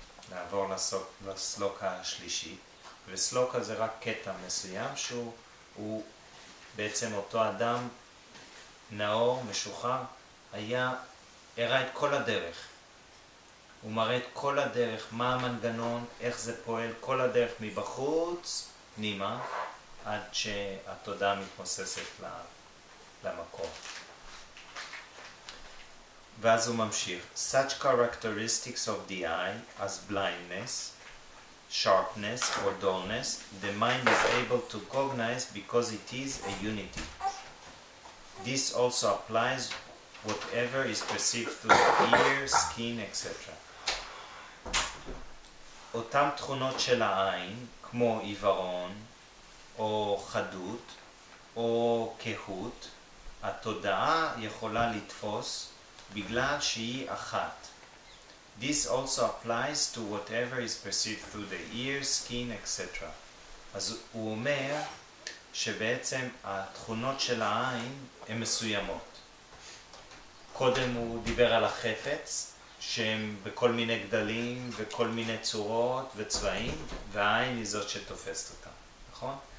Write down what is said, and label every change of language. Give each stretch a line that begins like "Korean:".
Hebrew: נעבור לסלוק השלישי, וסלוק הזה רק קטע מסוים שהוא בעצם אותו אדם נאור, משוחרר, היה, הראה את כל הדרך. הוא מראה את כל הדרך, מה המנגנון, איך זה פועל, כל הדרך מבחוץ, נימה, עד שהתודעה מתמוססת למקום. ואז הוא ממשיך.
English: Such characteristics of the eye as blindness, sharpness or dullness, the mind is able to cognize because it is a unity. This also applies whatever is perceived through the ear, skin, etc.
Hebrew: אותם תכונות של העין, כמו עיוורון, או חדות, או כהות, התודעה יכולה לתפוס בגלל שהיא אחת.
English: This also applies to whatever is perceived through the ear, skin, etc.
Hebrew: אז הוא אומר שבעצם התכונות של העין הן מסוימות. קודם הוא דיבר על החפץ, שהם בכל מיני גדלים וכל מיני צורות וצבעים, והעין היא זאת שתופסת אותה, נכון?